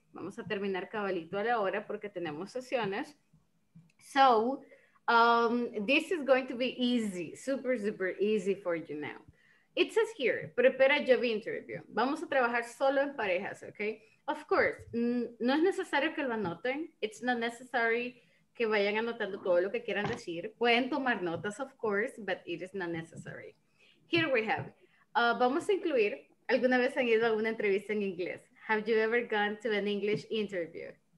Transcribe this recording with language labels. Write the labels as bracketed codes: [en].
[es] Vamos a terminar cabalito a la hora porque tenemos sesiones. [en] So, this is going to be easy, super, super easy for you now. It says here, prepare a job interview. [es] Vamos a trabajar solo en parejas, [en] okay? Of course, [es] no es necesario que lo anoten. [en] It's not necessary [es] que vayan anotando todo lo que quieran decir. Pueden tomar notas, [en] of course, but it is not necessary. Here we have, [es] vamos a incluir, ¿alguna vez han ido a una entrevista en inglés? [en] Have you ever gone to an English interview?